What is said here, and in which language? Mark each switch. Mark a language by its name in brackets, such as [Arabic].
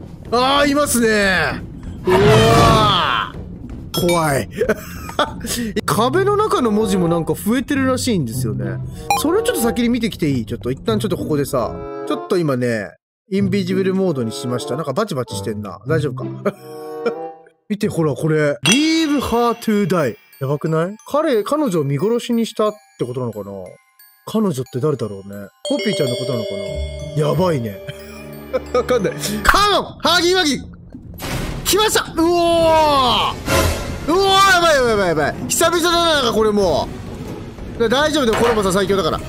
[Japanese] あー、いますね。うわー、怖い。壁の中の文字もなんか増えてるらしいんですよね。それをちょっと先に見てきていい？ちょっと一旦ちょっとここでさ、ちょっと今ね、インビジブルモードにしました。なんかバチバチしてんな。大丈夫か。見てほら、これ [English] Leave her to die。 [Japanese] やばくない？彼女を見殺しにしたってことなのかな。彼女って誰だろうね。ポピーちゃんのことなのかな。やばいね。わかんない。カモン、ハギマギ来ました。うおー、うわー、やばいやばいやばい。久々だな、なんかこれもう。大丈夫だよ、コロボさん最強だから。